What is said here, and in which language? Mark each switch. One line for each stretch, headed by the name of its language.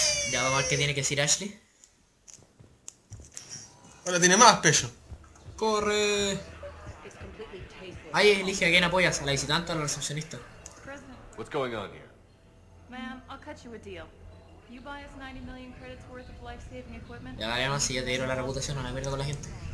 Spanish: Ya vamos a ver qué tiene que decir Ashley. Ahora tiene más peso. ¡Corre! Ahí elige a quién apoyas, a la visitante o a la recepcionista.
English: What's going on here? Ma'am, I'll cut you a deal. You buy us 90 million credits worth of life-saving equipment.
Spanish: Ya, además, si ya te dieron la reputación, no me pierdo con la gente.